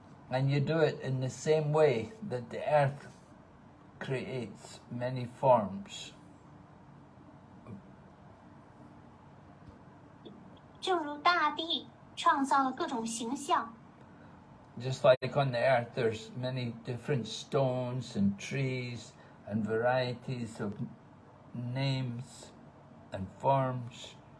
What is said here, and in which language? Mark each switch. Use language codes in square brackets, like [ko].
[en] and you do it in the same way that the earth creates many forms. [zh] 正如大地创造了各种形象。 [en] Just like on the earth, there's many different stones and trees and varieties of names and forms.